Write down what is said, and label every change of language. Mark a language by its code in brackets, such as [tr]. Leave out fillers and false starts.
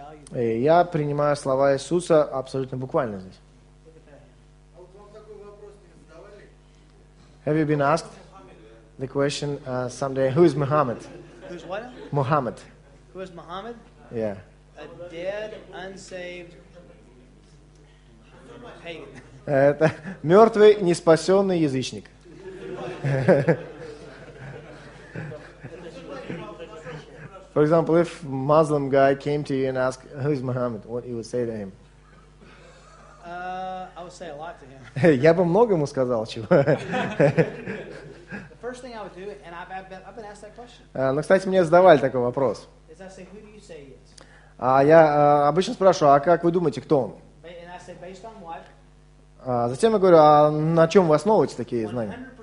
[ru] Я принимаю слова Иисуса абсолютно буквально здесь. [en] Have you been asked the question someday, who is Muhammad? Who's what? Muhammad. Who is Muhammad? Yeah. A dead, unsaved pagan. [ru] Это мертвый, не спасенный язычник. [en] For example, if a Muslim guy came to you and asked, who is Muhammad, what you would say to him? I would say a lot to him. [ru] Я бы много ему сказал, чего. [en] The first thing I would do, and I've been asked that question. [ru] Ну, кстати, мне задавали такой вопрос. [en] Is I say, who do you say he is? [ru] Я обычно спрашиваю, а как вы думаете, кто он? [en] And I say, based on what? [ru] Затем я говорю, а на чем вы основываете такие знания?